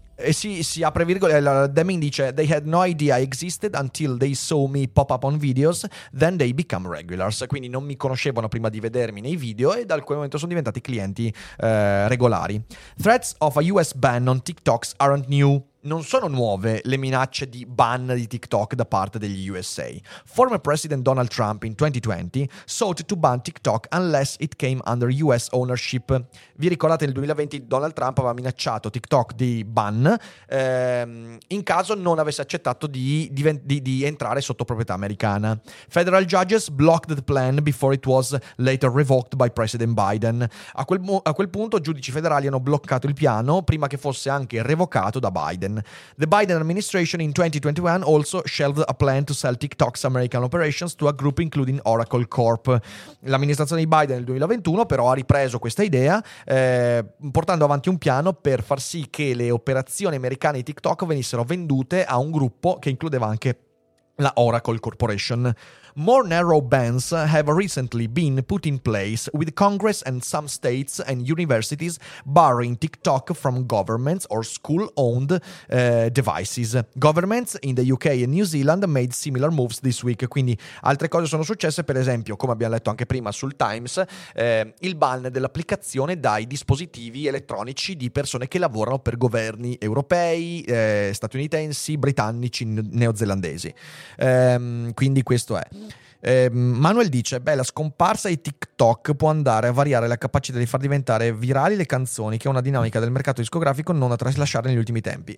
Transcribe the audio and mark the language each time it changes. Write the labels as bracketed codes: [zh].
[it] si apre virgola, Deming dice: [en] "They had no idea I existed until they saw me pop up on videos, then they become regulars." [it] Quindi non mi conoscevano prima di vedermi nei video e da quel momento sono diventati clienti regolari. [en] "Threats of a US ban on TikToks aren't new." [it] Non sono nuove le minacce di ban di TikTok da parte degli USA. [en] "Former President Donald Trump in 2020 sought to ban TikTok unless it came under US ownership." [it] Vi ricordate, nel 2020 Donald Trump aveva minacciato TikTok di ban in caso non avesse accettato di entrare sotto proprietà americana. [en] "Federal judges blocked the plan before it was later revoked by President Biden." [it] A quel punto giudici federali hanno bloccato il piano prima che fosse anche revocato da Biden. [en] "The Biden administration in 2021 also shelved a plan to sell TikTok's American operations to a group including Oracle Corp." [it] L'amministrazione di Biden nel 2021 però ha ripreso questa idea, portando avanti un piano per far sì che le operazioni americane di TikTok venissero vendute a un gruppo che includeva anche la Oracle Corporation. [en] "More narrow bans have recently been put in place, with Congress and some states and universities barring TikTok from governments or school-owned devices." Governments in the UK and New Zealand made similar moves this week. [it] Quindi altre cose sono successe, per esempio, come abbiamo letto anche prima sul Times, il ban dell'applicazione dai dispositivi elettronici di persone che lavorano per governi europei, statunitensi, britannici, neozelandesi. Quindi questo è. Manuel dice: "Beh, la scomparsa di TikTok può andare a variare la capacità di far diventare virali le canzoni, che è una dinamica del mercato discografico non da tralasciare negli ultimi tempi."